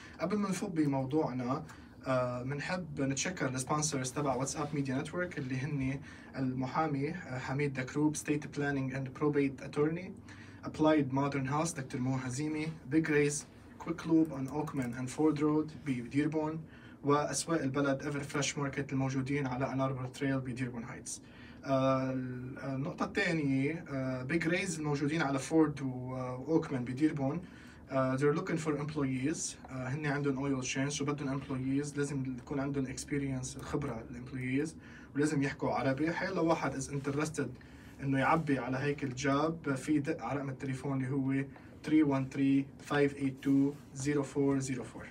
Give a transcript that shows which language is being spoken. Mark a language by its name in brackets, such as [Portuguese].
[Arabic] قبل ما نفوت بموضوعنا منحب نتشكر الاسبانسرز تبع واتساب ميديا نتورك اللي هني المحامي حميد دكروب، [English] State Planning and Probate Attorney، [Arabic] Applied Modern House دكتور مو هزيمي، Big Race Quick Loop on Oakman and Ford Road بديربون، وأسواق البلد Ever Fresh Market الموجودين على Ann Arbor Trail بديربون هايتس. النقطة الثانية Big Rays الموجودين على Ford وOakman بديربون، [English] they're looking for employees. [Arabic] هني عندهم oil change وبدون employees، لازم يكون عندهم experience خبرة الemployees، ولازم يحكوا عربي. حيلا واحد [English] is interested [Arabic] انه يعبي على هيك الجاب، في دق على رقم التليفون اللي هو 313-582-0404.